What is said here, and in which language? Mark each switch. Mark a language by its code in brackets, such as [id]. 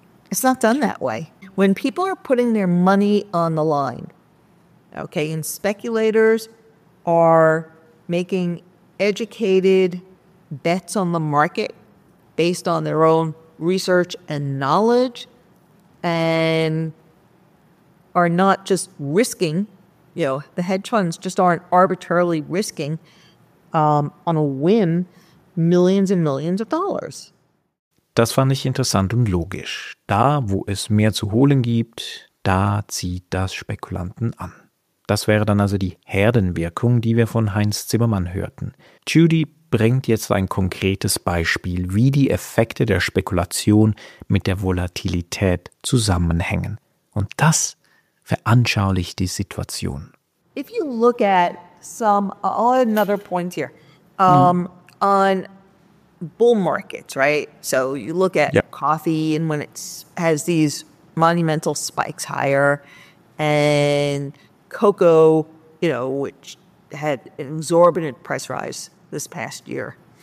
[en] It's not done that way. When people are putting their money on the line, okay, and speculators are making educated bets on the market based on their own research and knowledge and are not just risking, you know, the hedge funds just aren't arbitrarily risking on a whim millions and millions of dollars. [de] Das fand ich interessant und logisch. Da, wo es mehr zu holen gibt, da zieht das Spekulanten an. Das wäre dann also die Herdenwirkung, die wir von Heinz Zimmermann hörten. Judy bringt jetzt ein konkretes Beispiel, wie die Effekte der Spekulation mit der Volatilität zusammenhängen. Und das veranschaulicht die Situation. [en] If you look at some, I'll add another point here. On bull markets, right? So you look at coffee and when it has these monumental spikes higher and cocoa, you know, which had an exorbitant price rise this past year.